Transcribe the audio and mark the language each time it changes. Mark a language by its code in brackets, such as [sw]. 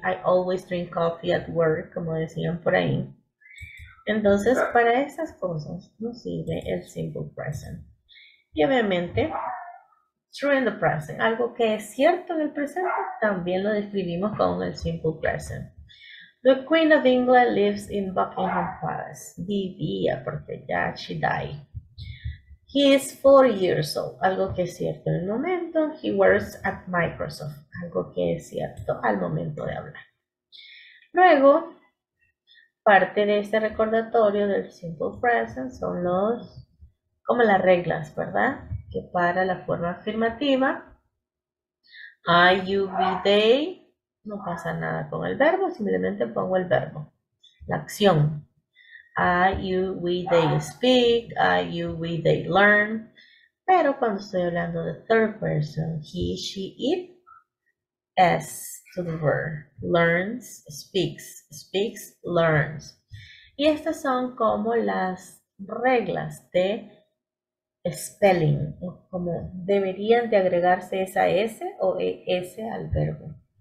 [en] I always drink coffee at work, [es] como decían por ahí. Entonces, para esas cosas nos sirve el simple present. Y obviamente, [en] true in the present. [es] Algo que es cierto en el presente, también lo describimos con el simple present. [en] The Queen of England lives in Buckingham Palace. [es] Vivía porque ya [en] she died. He is 4 years old. [es] Algo que es cierto en el momento. [en] He works at Microsoft. [es] Algo que es cierto al momento de hablar. Luego, parte de este recordatorio del simple present son los, como las reglas, ¿verdad? Que para la forma afirmativa, [en] I, you, we, they, [es] no pasa nada con el verbo, simplemente pongo el verbo, la acción. [en] I, you, we, they speak, I, you, we, they learn. [es] Pero cuando estoy hablando de [en] third person, he, she, it, s. To the verb, learns, speaks, speaks, learns. [es] Y estas son como las reglas de spelling, como deberían de agregarse esa S o ES al verbo.